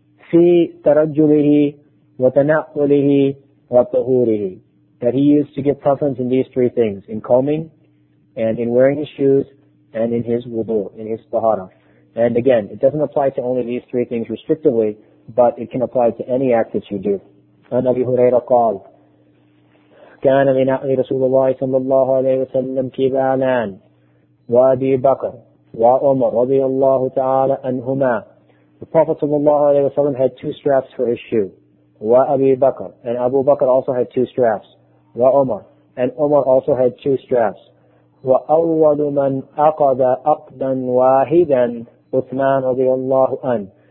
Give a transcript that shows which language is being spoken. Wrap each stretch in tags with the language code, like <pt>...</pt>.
<ar>في ترجله وتنقله وطهوره,</ar> <en>that he used to give preference in these three things, in combing and in wearing his shoes and in his wudu, in his tahara. And again, it doesn't apply to only these three things restrictively, but it can apply to any act that you do.</en> <ar>عن أبي هريرة قال كان لنقل رسول الله صلى الله عليه وسلم كبالان وأبي بكر وعمر رضي الله تعالى عنهما.</ar> <en>The Prophet ﷺ had two straps for his shoe.</en> <ar>Wa Abi Bakr.</ar> <en>And Abu Bakr also had two straps.</en> <ar>Wa Umar.</ar> <en>And Umar also had two straps.</en> <ar>Wa awwalu man aqada aqdan wahidan Uthman radiallahu an.</ar>